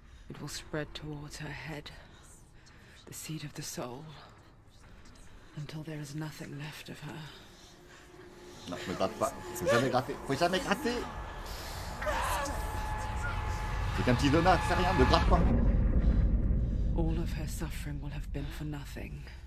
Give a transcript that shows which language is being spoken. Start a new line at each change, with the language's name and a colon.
English: It will spread towards her head, the seed of the soul, until there is nothing left of her.
French: Non, je me gratte pas. Faut jamais gratter. Faut jamais gratter. C'est un petit donut, c'est rien, ne gratte pas.
English: All of her suffering will have been for nothing.